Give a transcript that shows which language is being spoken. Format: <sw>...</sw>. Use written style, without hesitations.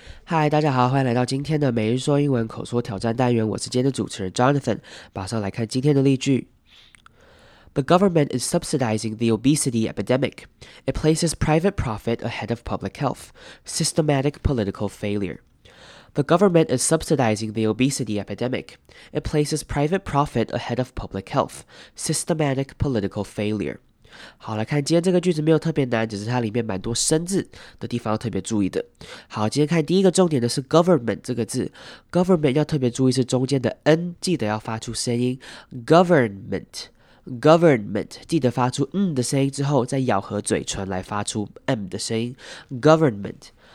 <zh>嗨，大家好，欢迎来到今天的每日说英文口说挑战单元。我是今天的主持人 Jonathan。马上来看今天的例句。</zh> <en>The government is subsidizing the obesity epidemic. It places private profit ahead of public health. Systematic political failure. The government is subsidizing the obesity epidemic. It places private profit ahead of public health. Systematic political failure.</en> <zh>好，来看今天这个句子没有特别难，只是它里面蛮多生字的地方要特别注意的。好，今天看第一个重点的是 government 这个字 ，government 要特别注意是中间的 n， 记得要发出声音 government 记得发出 n 的声音之后，再咬合嘴唇来发出 m 的声音 government。</zh>